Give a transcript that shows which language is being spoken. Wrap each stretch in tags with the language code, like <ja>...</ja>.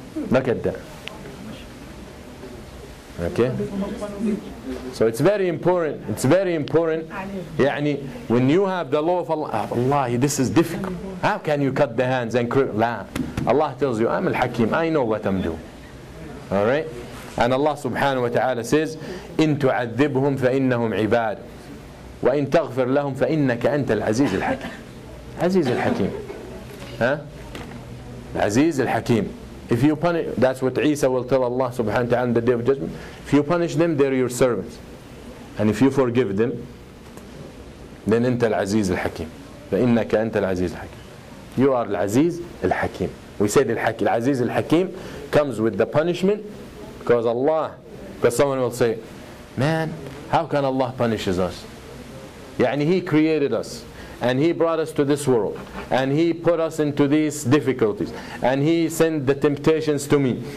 <en>Look at that. Okay? So it's very important. It's very important. يعني, when you have the law of Allah, Allah, this is difficult. How can you cut the hands and Allah tells you, I'm al-Hakim. I know what I'm doing. All right? And Allah subhanahu wa ta'ala says,</en> <ar>إِن تُعَذِّبْهُمْ فَإِنَّهُمْ عِبَادُ وَإِن تَغْفِرْ لَهُمْ فَإِنَّكَ أَنْتَ الْعَزِيزِ الْحَكِيمِ عزيز الحكيم. Huh? عزيز الحكيم.</ar> <en>If you punish, that's what Isa will tell Allah subhanahu wa ta'ala on the day of judgment. If you punish them, they're your servants. And if you forgive them, then</en> <ar>أَنْتَ الْعَزِيزِ الْحَكِيمِ فَإِنَّكَ أَنْتَ الْعَزِيزِ الْحَكِيمِ</ar> <en>You are العزيز الحكيم. We say the العزيز الحكيم comes with the punishment because Allah, because someone will say, man, how can Allah punish us? يعني He created us. And He brought us to this world. And He put us into these difficulties. And He sent the temptations to me.</en>